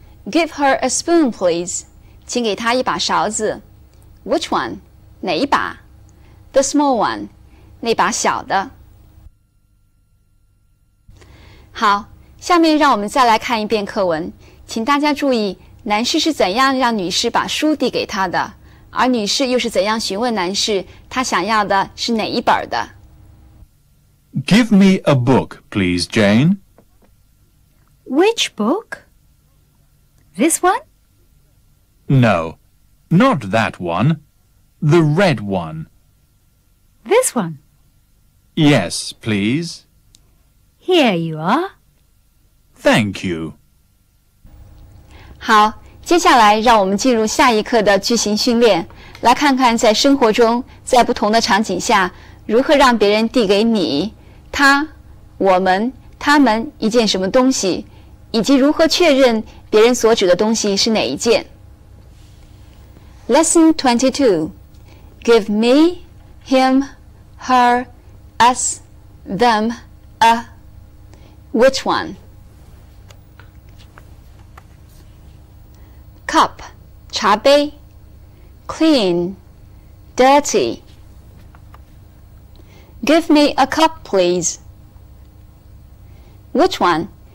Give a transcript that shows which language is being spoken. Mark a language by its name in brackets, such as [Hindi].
[English] Give her a spoon, please. [Chinese] 请给她一把勺子。 [English] Which one? [Chinese] 哪一把? [English] The small one. [Chinese] 那把小的。好，下面让我们再来看一遍课文。请大家注意，男士是怎样让女士把书递给她的，而女士又是怎样询问男士她想要的是哪一本的。 [English] Give me a book, please, Jane. Which book? This one? No, not that one. The red one. This one? Yes, please. Here you are. Thank you. [Chinese] 好，接下来让我们进入下一课的句型训练，来看看在生活中，在不同的场景下，如何让别人递给你、他、我们、他们一件什么东西，以及如何确认别人所指的东西是哪一件。 [English] Lesson 22 Give me, him, her, us, them, a. Which one? Cup, 茶杯 Clean, dirty Give me a cup, please Which one?